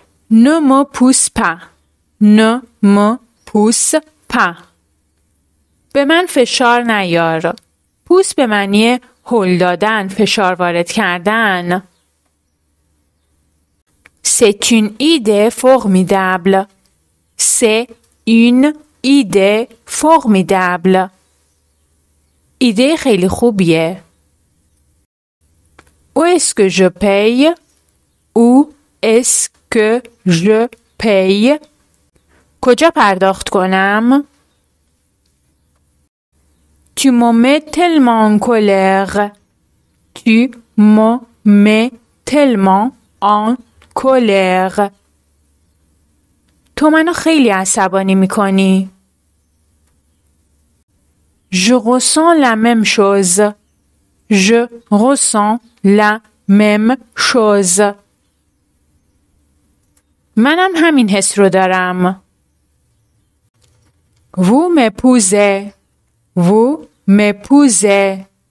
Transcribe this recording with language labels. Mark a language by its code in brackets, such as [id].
[fr] Ne me pousse pas. Ne me pousse pas. [fa] به من فشار نیار. پوس به معنی هل دادن، فشار وارد کردن. [fr] C'est une idée formidable. C'est une idée formidable. [fa] ایده خیلی خوبیه. [fr] Où est-ce que je paye? Où est-ce que je paye? [fa] کجا پرداخت کنم؟ [fr] Tu me mets tellement en colère. Tu me mets tellement en colère. [fa] تو منو خیلی عصبانی میکنی. [fr] Je ressens la même chose. Je ressens la même chose. [fa] منم همین حس رو دارم. [fr] Vous m'épousez. Vous m'épousez.